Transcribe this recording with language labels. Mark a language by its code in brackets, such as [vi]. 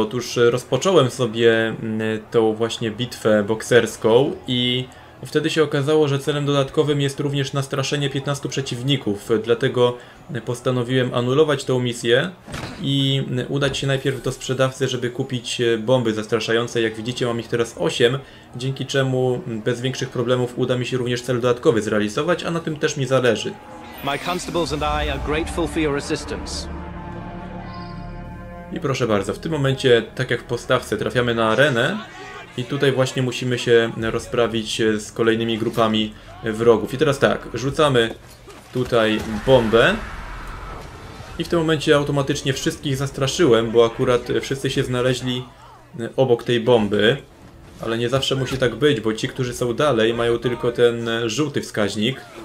[pl] Otóż rozpocząłem sobie tą właśnie bitwę bokserską i wtedy się okazało, że celem dodatkowym jest również nastraszenie 15 przeciwników. Dlatego postanowiłem anulować tą misję i udać się najpierw do sprzedawcy, żeby kupić bomby zastraszające. Jak widzicie, mam ich teraz 8, dzięki czemu bez większych problemów uda mi się również cel dodatkowy zrealizować, a na tym też mi zależy. [en] My constables and I are grateful for your assistance. [pl] I proszę bardzo, w tym momencie, tak jak w postawce, trafiamy na arenę i tutaj właśnie musimy się rozprawić z kolejnymi grupami wrogów. I teraz tak, rzucamy tutaj bombę i w tym momencie automatycznie wszystkich zastraszyłem, bo akurat wszyscy się znaleźli obok tej bomby, ale nie zawsze musi tak być, bo ci, którzy są dalej, mają tylko ten żółty wskaźnik.